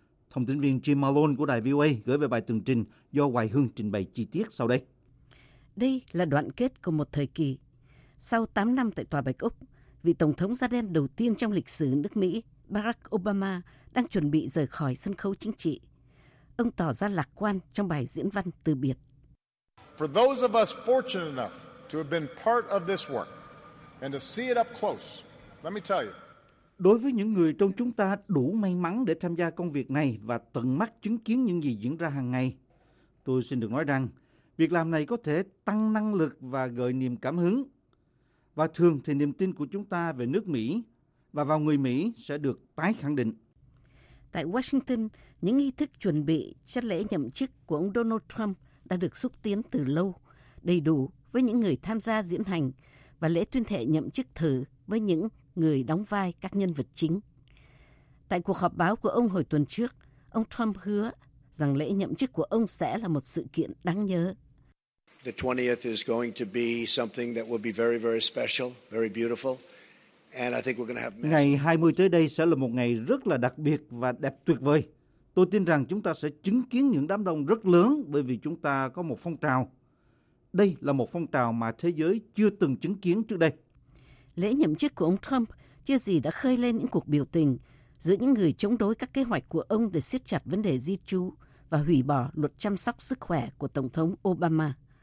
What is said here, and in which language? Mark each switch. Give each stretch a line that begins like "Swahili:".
Vietnamese: Thông tin viên Jim Malone của đài VOA gửi về bài tường trình do Hoài Hương trình bày chi tiết sau đây. Đây là đoạn kết của một thời kỳ. Sau 8 năm tại Tòa Bạch Ốc, vị Tổng thống da đen đầu tiên trong lịch sử nước Mỹ, Barack Obama, đang chuẩn bị rời khỏi sân khấu chính trị. Ông tỏ ra lạc quan trong bài diễn văn từ biệt.
English: For those of us fortunate enough to have been part of this work and to see it up close, let me tell you.
Vietnamese: Đối với những người trong chúng ta đủ may mắn để tham gia công việc này và tận mắt chứng kiến những gì diễn ra hàng ngày, tôi xin được nói rằng việc làm này có thể tăng năng lực và gợi niềm cảm hứng. Và thường thì niềm tin của chúng ta về nước Mỹ và vào người Mỹ sẽ được tái khẳng định. Tại Washington, những nghi thức chuẩn bị cho lễ nhậm chức của ông Donald Trump đã được xúc tiến từ lâu, đầy đủ với những người tham gia diễn hành và lễ tuyên thệ nhậm chức thử với những người đóng vai các nhân vật chính. Tại cuộc họp báo của ông hồi tuần trước, ông Trump hứa rằng lễ nhậm chức của ông sẽ là một sự kiện đáng nhớ.
English: The 20th is going to be something that will be very, very special, very beautiful. And I think we're going to have massive...
Vietnamese: Ngày 20 tới đây sẽ là một ngày rất là đặc biệt và đẹp tuyệt vời. Tôi tin rằng chúng ta sẽ chứng kiến những đám đông rất lớn bởi vì chúng ta có một phong trào. Đây là một phong trào mà thế giới chưa từng chứng kiến trước đây. Lễ nhậm chức của ông Trump chưa gì đã khơi lên những cuộc biểu tình giữa những người chống đối các kế hoạch của ông để siết chặt vấn đề di trú và hủy bỏ luật chăm sóc sức khỏe của Tổng thống Obama.